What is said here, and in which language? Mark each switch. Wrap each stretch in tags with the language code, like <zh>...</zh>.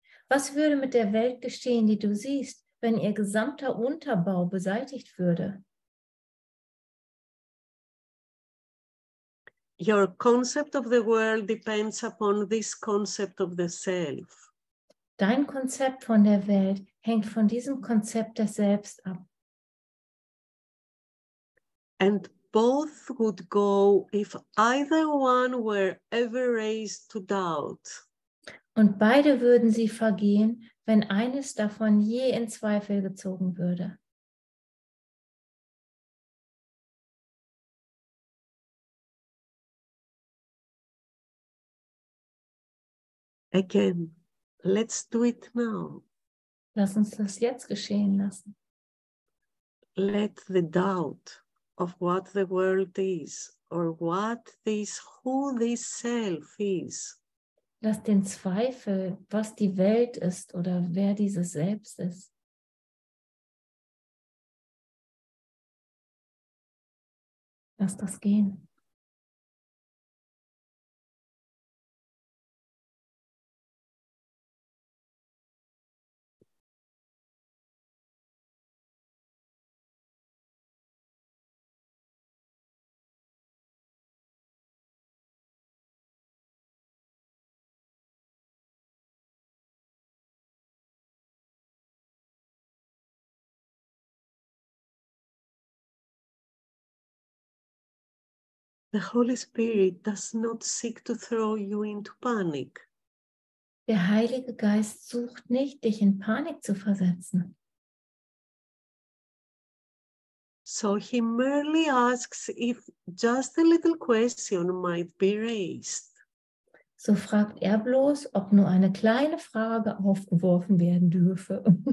<de>Was würde mit der Welt geschehen, die du siehst, wenn ihr gesamter Unterbau beseitigt würde?</de> <en>Your concept of the world depends upon this concept of the self.</en> <de>Dein Konzept von der Welt hängt von diesem Konzept des Selbst ab.</de> <en>And both would go if either one were ever raised to doubt.</en> <de>Und beide würden sie vergehen, wenn eines davon je in Zweifel gezogen würde.</de> <en>Again, let's do it now.</en> <de>Lass uns das jetzt geschehen lassen.</de> <en>Let the doubt of what the world is or what this, who this self is.</en> <de>Lass den Zweifel, was die Welt ist oder wer dieses Selbst ist. Lass das gehen.</de> <en>The Holy Spirit does not seek to throw you into panic.</en> <de>Der Heilige Geist sucht nicht, dich in Panik zu versetzen.</de> <en>So he merely asks if just a little question might be raised.</en> <de>So fragt er bloß, ob nur eine kleine Frage aufgeworfen werden dürfe.</de>